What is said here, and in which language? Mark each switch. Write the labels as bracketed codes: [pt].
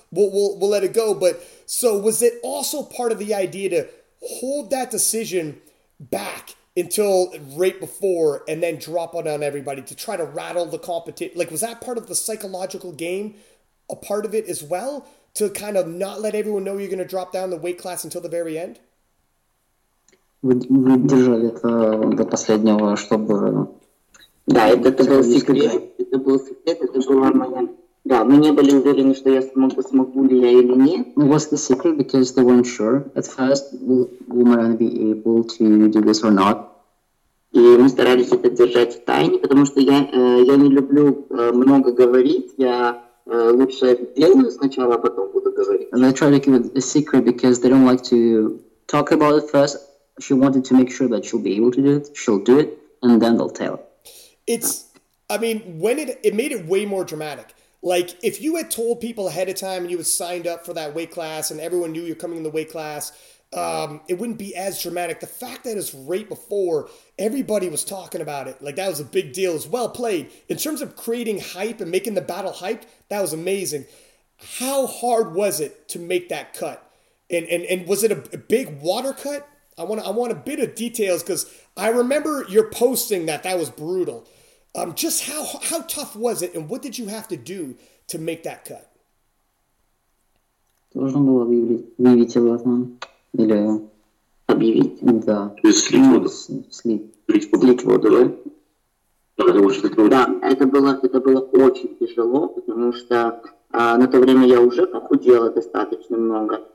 [en] We'll let it go. But so was it also part of the idea to hold that decision back until right before and then drop it on everybody to try to rattle the competition? Like, was that part of the psychological game, a part of it as well, to kind of not let everyone know you're going to drop down the weight class until the very end? [ru] Вы держали это до последнего, чтобы... Да, это был секрет, это был секрет, это была моя... Да, мы не были уверены, что я смогу ли я или нет. [en] It was the secret, because they weren't sure. At first, will Marianne be able to do this or not? [ru] И мы старались это держать в тайне, потому что я не люблю много говорить, я... лучше делаю сначала, а потом буду говорить. [en] And they try to keep it a secret because they don't like to talk about it first. She wanted to make sure that she'll be able to do it, she'll do it, and then they'll tell. It's, I mean, when it made it way more dramatic. Like, if you had told people ahead of time and you had signed up for that weight class and everyone knew you're coming in the weight class, it wouldn't be as dramatic. The fact that it's right before, everybody was talking about it. Like, that was a big deal. It was well played. In terms of creating hype and making the battle hype, that was amazing. How hard was it to make that cut? And was it a big water cut? I want a bit of details, because I remember your posting that was brutal. Just how tough was it, and what did you have to do to make that cut? [ru] Должен было объявить об этом или объявить? Да. То есть слить воду? Слить воду, да? Да, это было очень тяжело, потому что на то время я уже похудела достаточно много.